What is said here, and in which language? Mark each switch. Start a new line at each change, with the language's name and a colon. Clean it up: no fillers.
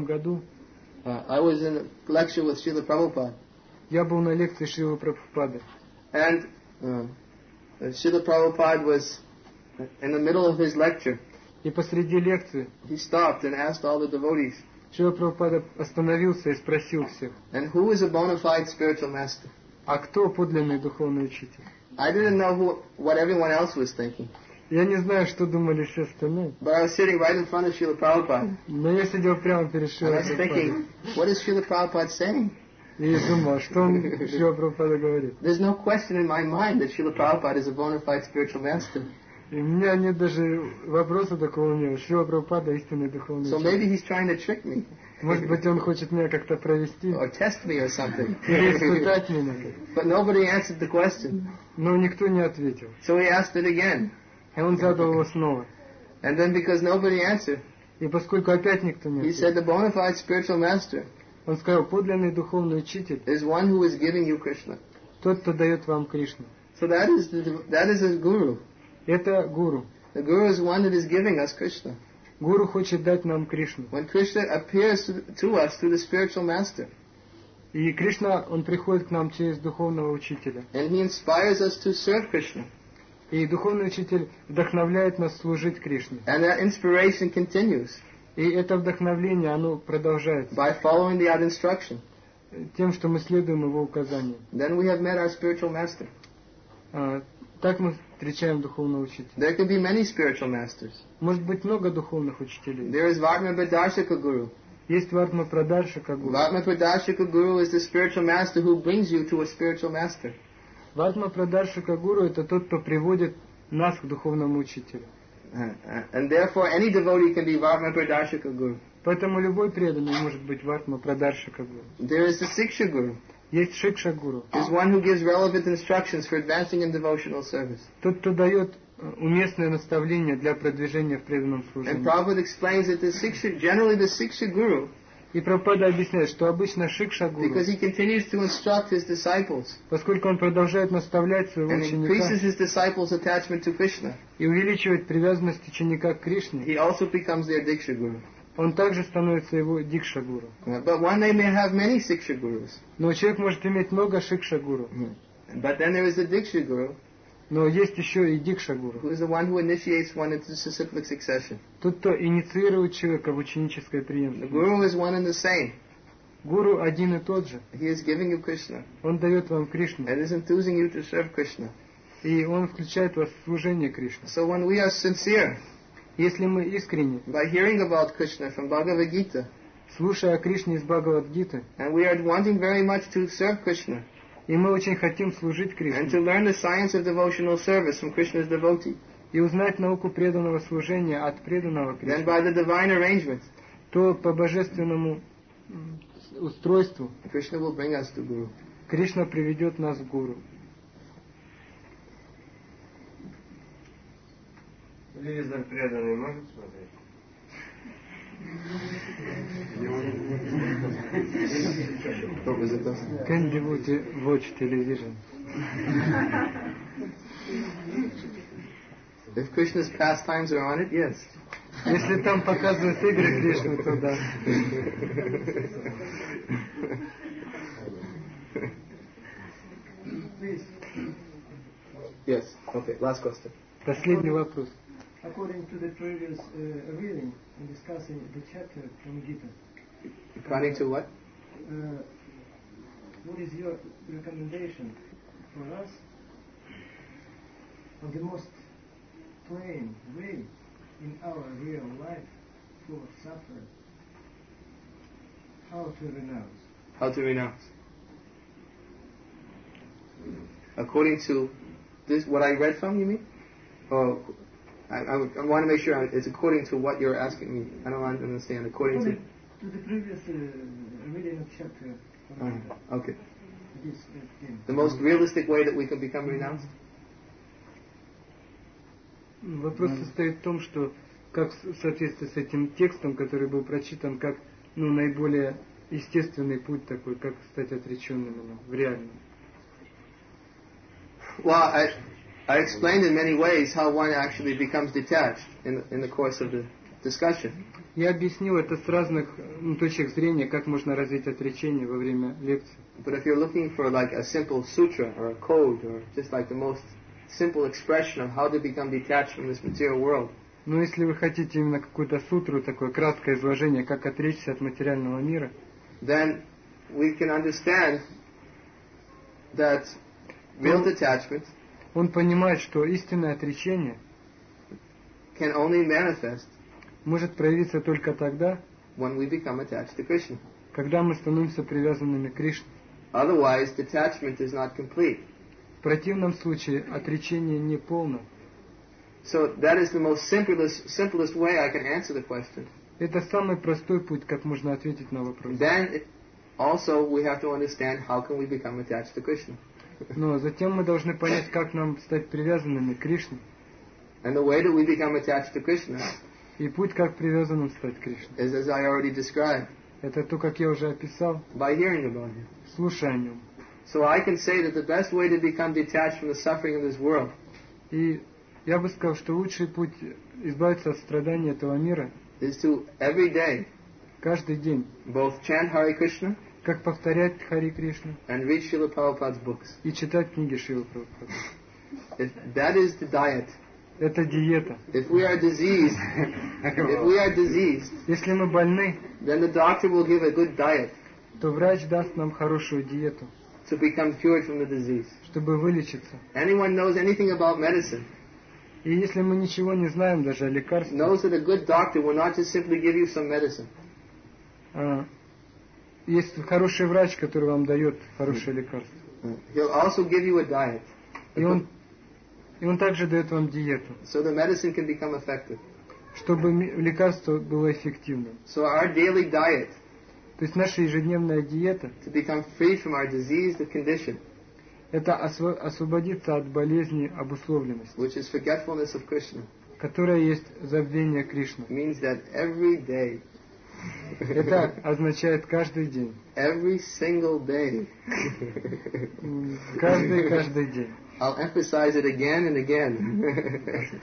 Russian: в 1975 году,
English: I was in a lecture with Srila Prabhupada.
Russian: Я был на лекции Шрилы Прабхупады.
English: And Srila Prabhupada was in the middle of his lecture.
Russian: И посреди лекции.
English: He stopped and asked all the devotees.
Russian: Шрила Прабхупада остановился и спросил всех.
English: And who is a bona fide spiritual master?
Russian: А кто подлинный духовный учитель?
English: I didn't know what everyone else was thinking.
Russian: Я не знаю, что думали все остальные.
English: But I was sitting right in front of Srila Prabhupada.
Russian: Но я сидел прямо перед Шрилой Прабхупадой.
English: I was thinking, what is Srila Prabhupada saying?
Russian: И думал, что он Шрила Прабхупада говорит.
English: There's no question in my mind that Srila Prabhupada is a bona fide spiritual master.
Russian: И у меня нет даже вопроса такого не было. Шрила Прабхупада истинный духовный учитель.
English: So maybe he's trying to trick me.
Russian: Может быть, он хочет меня как-то провести.
English: Or test me or something.
Russian: Или испытать меня.
English: But nobody answered the question.
Russian: Но никто не ответил.
English: So he asked it again.
Russian: И он задал его снова.
English: And then because nobody answered.
Russian: И поскольку опять никто не ответил.
English: He said the bona fide spiritual master.
Russian: Он сказал, подлинный духовный учитель
English: is one who is giving you Krishna.
Russian: Тот, кто дает вам Кришну.
English: So that is a guru.
Russian: Это гуру.
English: The guru is one that is giving us Krishna.
Russian: Гуру хочет дать нам Кришну.
English: When Krishna appears to us through the spiritual master.
Russian: И Кришна, он приходит к нам через духовного учителя.
English: And he inspires us to serve Krishna.
Russian: И духовный учитель вдохновляет нас служить Кришне.
English: And that inspiration continues.
Russian: И это вдохновление, оно продолжается.
English: By following the other instruction.
Russian: Тем, что мы следуем его указаниям.
English: Then we have met our spiritual master.
Russian: Так мы встречаем духовного учителя.
English: There can be many spiritual masters.
Russian: Может быть много духовных учителей.
English: There is Vartma Pradarshika Guru.
Russian: Есть Vartma Pradarshika Guru.
English: Vartma Pradarshika Guru is the spiritual master who brings you to a spiritual master.
Russian: Vartma Pradarshika Guru это тот, кто приводит нас к духовному учителю.
English: And therefore, any devotee can be Vartma Pradarshika Guru.
Russian: Поэтому любой преданный может быть Vartma Pradarshika Guru.
English: There is a Siksha Guru.
Russian: Есть Шикша Гуру.
English: Is one who gives relevant instructions for advancing in devotional service.
Russian: Тот, кто дает уместное наставление для продвижения в преданном служении.
English: And Prabhupada explains that the Siksha Guru.
Russian: И Прабхупада объясняет, что обычно Шикша Гуру.
English: Because he continues to instruct his disciples.
Russian: Поскольку он продолжает наставлять своего ученика.
English: And increases his disciples' attachment to Krishna.
Russian: И увеличивает привязанность ученика к Кришне.
English: He also becomes their Diksha Guru.
Russian: Он также становится его Дикша Гуру.
English: But one may have many Siksha Gurus.
Russian: Но человек может иметь много Шикша Гуру.
English: But then there is the Diksha Guru.
Russian: Но есть еще и Дикша Гуру.
English: Who is the one who initiates one into disciplic succession.
Russian: Тот, кто инициирует человека в ученическое преемство.
English: The guru is one and the same.
Russian: Гуру один и тот же.
English: He is giving you Krishna.
Russian: Он дает вам Кришну.
English: And is enthusing you to serve Krishna.
Russian: И он включает вас в служение Кришне.
English: So when we are sincere,
Russian: Если мы искренне,
English: by hearing about Krishna from Bhagavad Gita,
Russian: слушая о Кришне из Бхагавад Гиты,
English: and we are wanting very much to serve Krishna,
Russian: и мы очень хотим служить Кришне,
English: and to learn the science of devotional service from Krishna's devotee,
Russian: и узнать науку преданного служения от преданного Кришны,
English: then by the divine arrangement,
Russian: то по божественному устройству
English: Krishna will bring us to Guru.
Russian: Кришна приведет нас к Гуру. Телевизор преданный может смотреть?
English: Can devotee watch television? If Krishna's pastimes are on it, yes.
Russian: Если там показывают игры Кришны, то да.
English: Yes. Okay. Last question.
Russian: Последний вопрос.
English: According to the previous reading and discussing the chapter from Gita. According to what? What is your recommendation for us on the most plain way in our real life full of suffering? How to renounce? How to renounce? According to this, what I read from, you mean? I want to make sure it's according to what you're asking me. I don't understand. According to the previous reading of chapter. Okay. The most realistic way that we can become renounced.
Russian: Вопрос состоит в том, что как в соответствии с этим текстом, который был прочитан, как наиболее естественный путь такой, как стать отреченным в реальном.
English: Well, I explained in many ways how one actually becomes detached in the course of the discussion.
Russian: Я объяснил это с разных точек зрения, как можно развить отречение во время лекции.
English: But if you're looking for like a simple sutra or a code or just like the most simple expression of how to become detached from this material world.
Russian: Но если вы хотите именно какую-то сутру, такое краткое изложение, как отречься от материального мира,
English: then we can understand that real detachment,
Russian: он понимает, что истинное отречение
English: can only manifest,
Russian: может проявиться только тогда,
English: when we become attached to Krishna,
Russian: когда мы становимся привязанными к Кришне.
English: Otherwise, detachment is not complete.
Russian: В противном случае отречение не полно.
English: So that is the most simplest way I can answer the question.
Russian: Это самый простой путь, как можно ответить на вопрос.
English: Then also we have to understand how can we become attached to Krishna.
Russian: Но затем мы должны понять, как нам стать привязанными к Кришне.
English: And the way that we become attached to Krishna,
Russian: и путь, как привязанным стать к Кришне,
English: is as I already described,
Russian: это то, как я уже описал,
English: by hearing about him,
Russian: слушая о нем.
English: So I can say that the best way to become detached from the suffering of this world,
Russian: и я бы сказал, что лучший путь избавиться от страданий этого мира,
English: is to every day,
Russian: каждый день,
English: both chant Hare Krishna,
Russian: как повторять Хари Кришну,
English: and read Srila Prabhupada's books,
Russian: и читать книги Шрилы Прабхупады.
English: If that is the diet,
Russian: это диета.
English: If we are diseased, if we are diseased,
Russian: если мы больны,
English: then the doctor will give a good diet,
Russian: то врач даст нам хорошую диету,
English: to become cured from the disease,
Russian: чтобы вылечиться.
English: Anyone knows anything about medicine,
Russian: и если мы ничего не знаем даже о лекарствах,
English: knows that a good doctor will not just simply give you some medicine.
Russian: Есть хороший врач, который вам дает хорошее лекарство.
English: He'll also give you a diet.
Russian: И он также дает вам диету.
English: So the medicine can become effective.
Russian: Чтобы лекарство было эффективным.
English: So our daily diet.
Russian: То есть наша ежедневная диета.
English: To become free from our disease, the condition.
Russian: Это освободиться от болезни обусловленности.
English: Which is forgetfulness of Krishna.
Russian: Которая есть забвение Кришны.
English: Means that every day.
Russian: Это означает каждый день.
English: Every single day.
Russian: Каждый день.
English: I'll emphasize it again and again.